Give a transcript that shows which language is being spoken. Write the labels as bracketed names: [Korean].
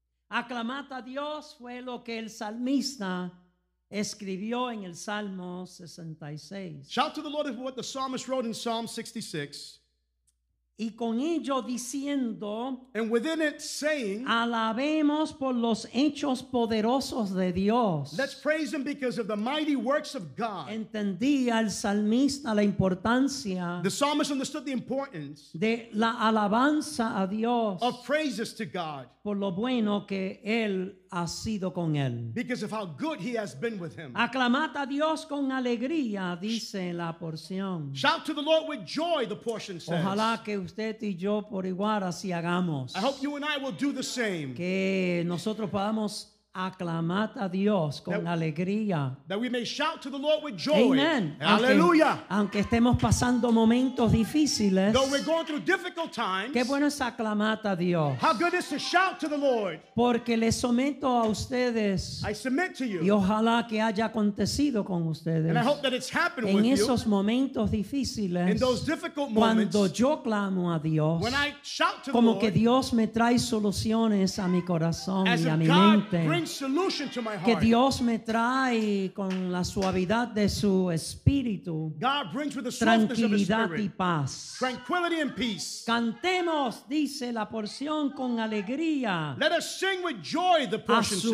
[Spanish] Aclamad a Dios fue lo que el salmista escribió en el Salmo 66. [English] Shout to the Lord is what the psalmist wrote in Psalm 66. [Spanish] Y con ello diciendo, [English] and within it saying, [Spanish] alabemos por los hechos poderosos de Dios. [English] Let's praise him because of the mighty works of God. [Spanish] Entendía el salmista la importancia. [English] The psalmist understood the importance [Spanish] de la alabanza a Dios. [English] Of praises to God. [Spanish] Por lo bueno que él ha sido con él. [English] Because of how good he has been with him. [Spanish] Aclamad a Dios con alegría, dice la porción. [English] Shout to the Lord with joy, the portion says. [Spanish] Ojalá que usted y yo por igual así hagamos. [English] I hope you and I will do the same. [Spanish] Que nosotros podamos aclamar a Dios con alegría. [English] That we may shout to the Lord with joy. [Spanish] Amen. Aleluya. Aunque estemos pasando momentos difíciles. [English] Though we're going through difficult times. [Spanish] Qué bueno es aclamar a Dios. [English] How good is to shout to the Lord. [Spanish] Porque le someto a ustedes. [English] I submit to you. [Spanish] Y ojalá que haya acontecido con ustedes. [English] And I hope that it's happened [Spanish] en [English] with you. [Spanish] En esos momentos difíciles. [English] In those difficult moments. [Spanish] Cuando yo clamo a Dios. [English] When I shout to the [Spanish] como [English] Lord. [Spanish] Que Dios me trae soluciones a mi corazón y a mi [English] God [Spanish] mente. [English] Bring solution to my heart. [Spanish] Que Dios me trae con la suavidad de su espíritu. [English] God brings with the softness of his spirit. [Spanish] Y paz. [English] Tranquility and peace. [Spanish] Cantemos, dice la porción, con alegría. [English] Let us sing with joy, the portion says.